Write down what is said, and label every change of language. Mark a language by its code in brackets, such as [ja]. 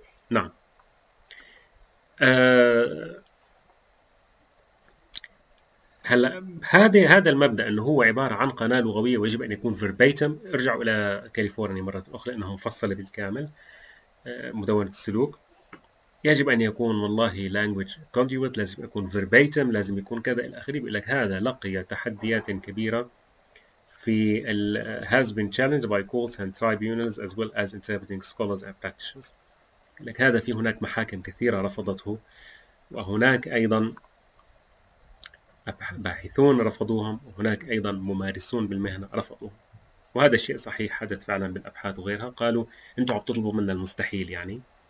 [ar] نعم، هلا هذا المبدا انه هو عباره عن قناه لغويه ويجب ان يكون فيرباتم، ارجعوا الى كاليفورنيا مره اخرى لانها مفصله بالكامل مدونه السلوك، يجب ان يكون والله لانجويج كونديوت، لازم يكون فيرباتم، لازم يكون كذا الى اخره. بيقول لك هذا لقي تحديات كبيره في ال [en] has been challenged by courts and tribunals as well as interpreting scholars and practitioners. [ar] لك هذا في هناك محاكم كثيره رفضته، وهناك ايضا باحثون رفضوهم، وهناك أيضا ممارسون بالمهنة رفضوهم، وهذا الشيء صحيح حدث فعلا بالأبحاث وغيرها، قالوا أنتم عم تطلبوا منا المستحيل يعني.